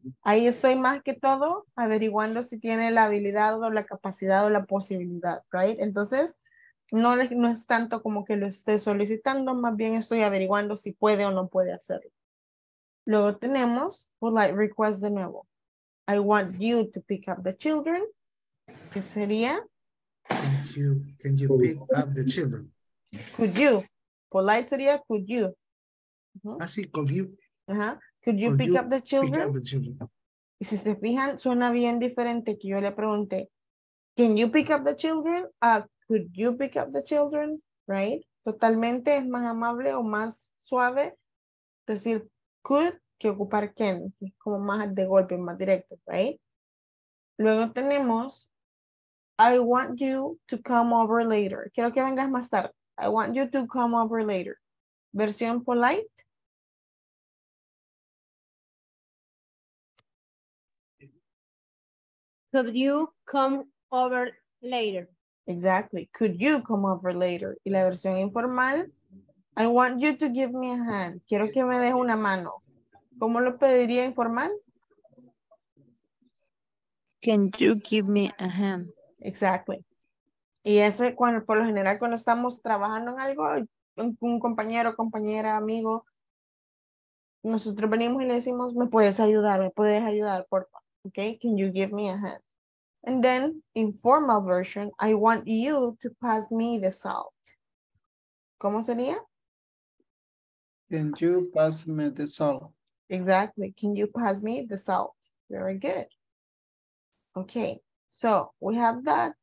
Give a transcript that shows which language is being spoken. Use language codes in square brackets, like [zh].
[es] Ahí estoy más que todo averiguando si tiene la habilidad o la capacidad o la posibilidad, right? Entonces, no es tanto como que lo esté solicitando, más bien estoy averiguando si puede o no puede hacerlo. Luego tenemos polite request de nuevo. [en] I want you to pick up the children. [es] ¿Qué sería? [en] Can you pick up the children? Could you? Polite sería could you. Así, could you. Could you pick up the children? [es] Y si se fijan, suena bien diferente que yo le pregunté, [en] can you pick up the children? Could you pick up the children? Right? [es] Totalmente es más amable o más suave decir could que ocupar can. Es como más de golpe, más directo, right? Luego tenemos, [en] I want you to come over later. [es] Quiero que vengas más tarde. [en] I want you to come over later. [es] Versión polite. [en] Could you come over later? Exactly. Could you come over later? [es] Y la versión informal, [en] I want you to give me a hand. [es] Quiero que me deje una mano. ¿Cómo lo pediría informal? [en] Can you give me a hand? Exactly. [es] Y ese cuando, por lo general, cuando estamos trabajando en algo, un compañero, compañera, amigo, nosotros venimos y le decimos, ¿me puedes ayudar? ¿Me puedes ayudar, por favor? [en] Okay, can you give me a hand? And then, informal version, I want you to pass me the salt. [es] ¿Cómo sería? [en] Can you pass me the salt? Exactly. Can you pass me the salt? Very good. Okay, so we have that.